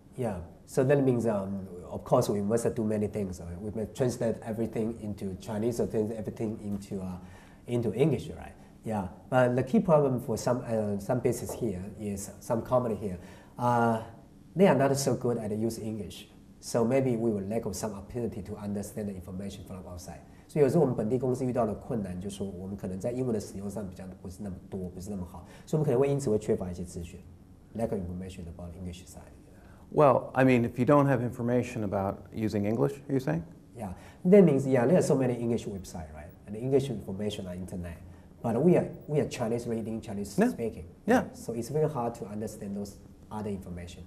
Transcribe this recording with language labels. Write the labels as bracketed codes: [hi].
[en] Yeah, so that means, of course, we must do many things. We must translate everything into Chinese or translate everything into English, right? Yeah, but the key problem for some business here is, some company here, they are not so good at using English. So maybe we will lack of some opportunity to understand the information from outside. [zh] 所以有时候我们本地公司遇到的困难就是我们可能在英文的使用上比较不是那么多，不是那么好，所以我们可能会因此会缺乏一些资讯。 [en] Lack of information about English side. Well, I mean, if you don't have information about using English, are you saying? That means, there are so many English websites, right? And English information on internet. But we are Chinese reading, Chinese speaking. Yeah. So it's very hard to understand those other information.